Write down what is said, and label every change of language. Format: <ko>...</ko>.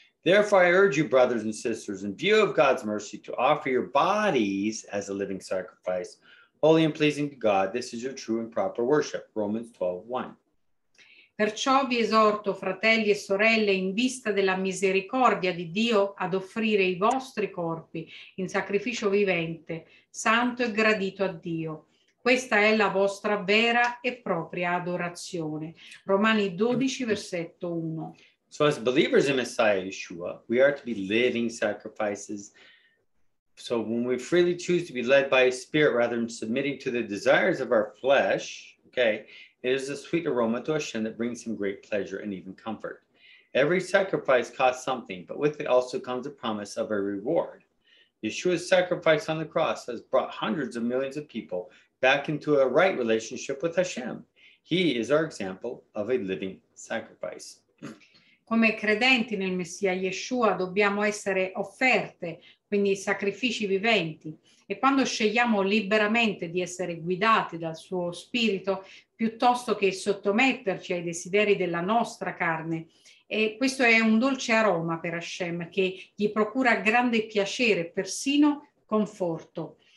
<en>Therefore I urge you, brothers and sisters, in view of God's mercy, to offer your bodies as a living sacrifice, holy and pleasing to God. This is your true and proper worship. Romans 12:1.</en> <it>Perciò vi esorto, fratelli e sorelle, in vista della misericordia di Dio, ad offrire i vostri corpi in sacrificio vivente, santo e gradito a Dio. Questa è la vostra vera e propria adorazione. Romani 12, versetto 1.</it> <en>So as believers in Messiah Yeshua, we are to be living sacrifices. So when we freely choose to be led by His Spirit rather than submitting to the desires of our flesh, okay, it is a sweet aroma to Hashem that brings Him great pleasure and even comfort. Every sacrifice costs something, but with it also comes a promise of a reward. Yeshua's sacrifice on the cross has brought hundreds of millions of people back into a right relationship with Hashem. He is our example of a living sacrifice.</en> <it>Come credenti nel Messia Yeshua dobbiamo essere offerte, quindi sacrifici viventi. E quando scegliamo liberamente di essere guidati dal suo spirito, piuttosto che sottometterci ai desideri della nostra carne, e questo è un dolce aroma per Hashem che gli procura grande piacere, persino conforto.</it>